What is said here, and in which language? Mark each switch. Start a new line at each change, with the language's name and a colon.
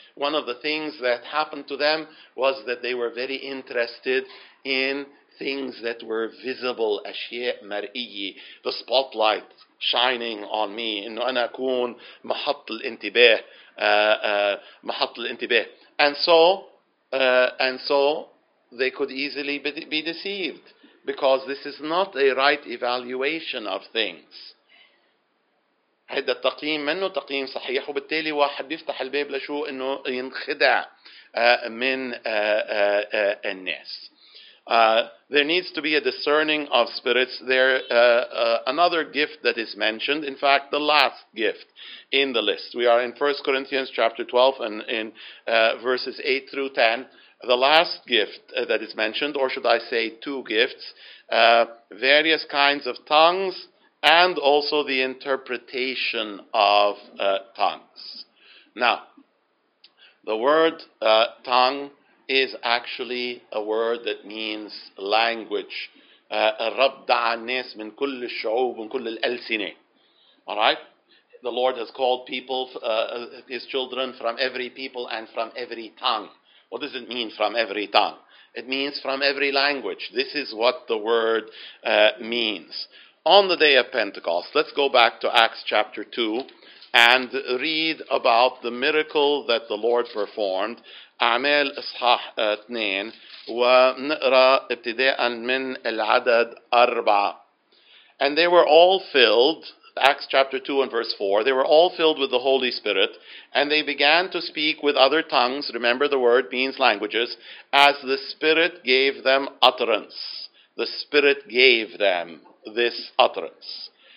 English: One of the things that happened to them was that they were very interested in things that were visible,
Arabic: أشياء مرئية,
English: the spotlight shining on me,
Arabic: إنه أنا أكون محط الانتباه,
English: محط الانتباه. And so they could easily be deceived. Because this is not a right evaluation of things.
Arabic: هيدا التقييم منه تقييم صحيح وبالتالي واحد بيفتح الباب لشو انه ينخدع من الناس.
English: There needs to be a discerning of spirits. There, another gift that is mentioned, in fact, the last gift in the list. We are in 1 Corinthians chapter 12 and in verses 8 through 10. The last gift that is mentioned, or should I say two gifts, various kinds of tongues, and also the interpretation of tongues. Now, the word tongue is actually a word that means language.
Arabic: رَبْدَ عَنَّاسِ مِنْ كُلِّ الشَّعُوبِ مِنْ كُلِّ الْأَلْسِنِ.
English: All right? The Lord has called people, his children, from every people and from every tongue. What does it mean from every tongue? It means from every language. This is what the word means. On the day of Pentecost, let's go back to Acts chapter 2 and read about the miracle that the Lord performed.
Arabic: أعمال إصحاح 2 ونقرأ ابتداء من العدد 4.
English: And they were all filled, Acts chapter 2 and verse 4, they were all filled with the Holy Spirit, and they began to speak with other tongues, remember the word means languages, as the Spirit gave them utterance. The Spirit gave them this utterance.